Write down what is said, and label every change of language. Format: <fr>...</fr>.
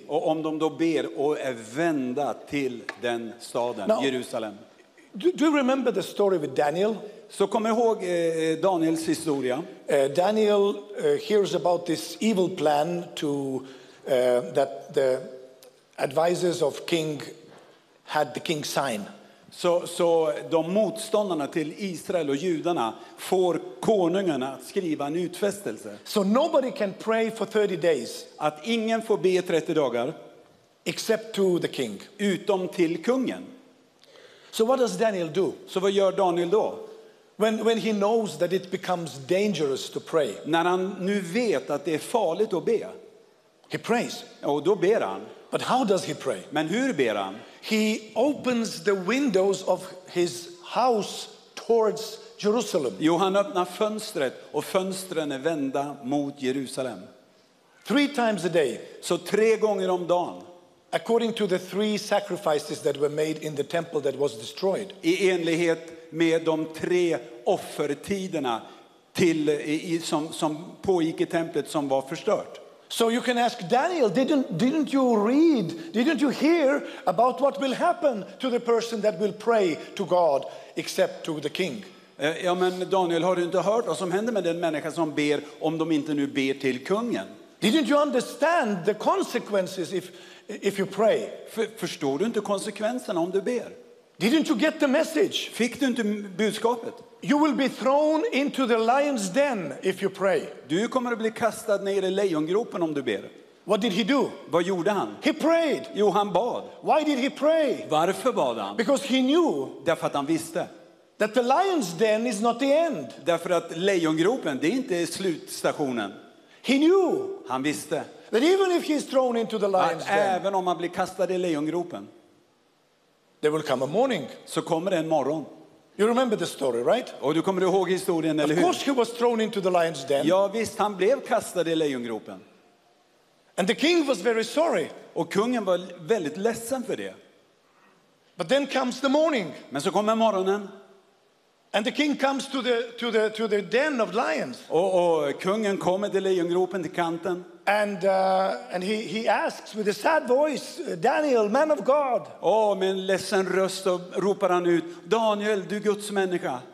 <sv>Och om de då ber och är vända till den staden,</sv> <en>Now, Jerusalem. Do you remember the story with Daniel?</en> <sv>Så kom ihåg Daniels historia.</sv> <en>Daniel hears about this evil plan to that the advisors of king had the king sign.</en> <sv>Så de motståndarna till Israel och judarna får konungarna att skriva en utfästelse.</sv> <en>So nobody can pray for 30 days.</en> <sv>Att ingen får be 30 dagar.</sv> <en>Except to the king.</en> <sv>Utom till kungen.</sv> <en>So what does Daniel do?</en> <sv>Så vad gör Daniel då?</sv> <en>When he knows that it becomes dangerous to pray.</en> <sv>När han nu vet att det är farligt att be.</sv> <en>He prays.</en> <sv>Och då ber han.</sv> <en>But how does he pray?</en> <sv>Men hur ber han?</sv> <en>He opens the windows of his house towards Jerusalem.</en> <sv>Jo, han öppnar fönstret och fönstren är vända mot Jerusalem.</sv> <en>Three times a day.</en> <sv>Så tre gånger om dagen.</sv> <en>According to the three sacrifices that were made in the temple that was destroyed.</en> <sv>I enlighet med de tre offertiderna till som pågick I templet som var förstört.</sv> <en>So you can ask Daniel, didn't you read, didn't you hear about what will happen to the person that will pray to God except to the king?</en> <sv>Ja, men Daniel, har du inte hört vad som händer med den människa som ber om de inte nu ber till kungen?</sv> <en>Didn't you understand the consequences if you pray?</en> <sv>Förstår du inte konsekvenserna om du ber?</sv> <en>Didn't you get the message?</en> <sv>Fick du inte budskapet?</sv> <en>You will be thrown into the lion's den if you pray.</en> <sv>Du kommer att bli kastad ner I lejongropen om du ber.</sv> <en>What did he do?</en> <sv>Vad gjorde han?</sv> <en>He prayed.</en> <sv>Jo, han bad.</sv> <en>Why did he pray?</en> <sv>Varför bad han?</sv> <en>Because he knew.</en> <sv>Därför att han visste.</sv> <en>That the lion's den is not the end.</en> <sv>Därför att lejongropen, det inte är slutstationen.</sv> <en>He knew.</en> <sv>Han visste.</sv> <en>That even if he's thrown into the lion's den.</en> <sv>Även om han blir kastad I lejongropen.</sv> <en>There will come a morning.</en> <sv>Så kommer det en morgon.</sv> <en>You remember the story, right?</en> <sv>Och du kommer ihåg historien, eller hur?</sv> <en>Of course he was thrown into the lion's den.</en> <sv>Ja, visst, han blev kastad i lejongropen.</sv> <en>And the king was very sorry.</en> <sv>Och kungen var väldigt ledsen för det.</sv> <en>But then comes the morning.</en> <sv>Men så kommer morgonen.</sv> <en>And the king comes to the den of lions.</en> <sv>Och kungen kommer till lejongropen, till kanten.</sv> <en>And he asks with a sad voice, Daniel, man of God.</en> <sv>Åh, med en ledsen röst ropar han ut, Daniel, du Guds människa.</sv>